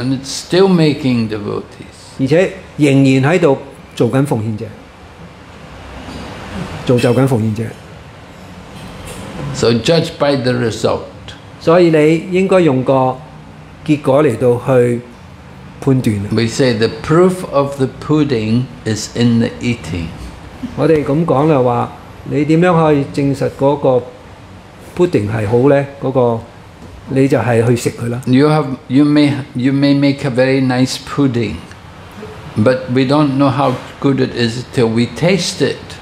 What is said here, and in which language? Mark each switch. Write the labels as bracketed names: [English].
[English] And it's still making devotees. [Chinese] 而且仍然在做奉献者。造就奉献者。 [English] So judge by the result. [Chinese] 所以你应该用个结果来去判断。 [English] We say the proof of the pudding is in the eating. [Chinese] 我们这么说的话，你怎样可以证实那个 [English] You may make a very nice pudding, but we don't know how good it is till we taste it.